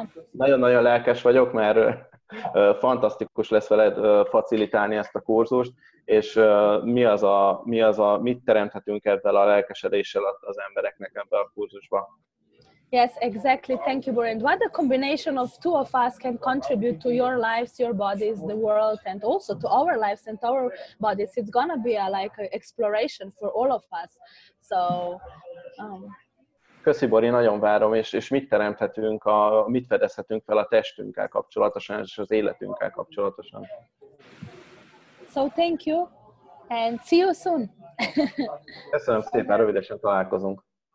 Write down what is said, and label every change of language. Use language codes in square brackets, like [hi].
[hu] Nagyon-nagyon lelkes vagyok, mert fantasztikus lesz veled facilitálni ezt a kurzust, és mit teremthetünk ebben a lelkesedéssel az embereknek ebben a kurzusban. [en] Yes, exactly. Thank you, Borin. What a combination of two of us can contribute to your lives, your bodies, the world, and also to our lives and our bodies. It's gonna be a like exploration for all of us. So. [hu] Köszi, Bori, nagyon várom, és mit teremthetünk, mit fedezhetünk fel a testünkkel kapcsolatosan, és az életünkkel kapcsolatosan. [en] So thank you, and see you soon. [hu] Köszönöm szépen, rövidesen találkozunk.